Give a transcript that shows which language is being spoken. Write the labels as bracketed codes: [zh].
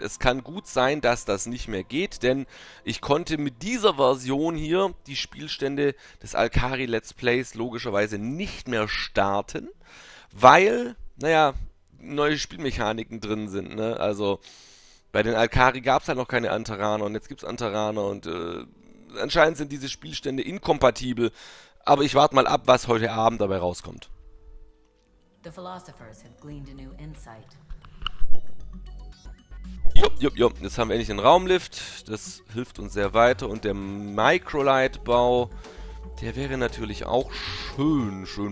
[de] Es kann gut sein, dass das nicht mehr geht, denn ich konnte mit dieser Version hier die Spielstände des Alkari Let's Plays logischerweise nicht mehr starten, weil, naja, neue Spielmechaniken drin sind, ne? Also bei den Alkari gab es halt noch keine Anteraner und jetzt gibt es Anteraner und anscheinend sind diese Spielstände inkompatibel. Aber ich warte mal ab, was heute Abend dabei rauskommt. [en] The philosophers have gleaned a new insight. [de] Jupp. Jetzt haben wir endlich einen Raumlift. Das hilft uns sehr weiter. Und der Microlight-Bau, der wäre natürlich auch schön.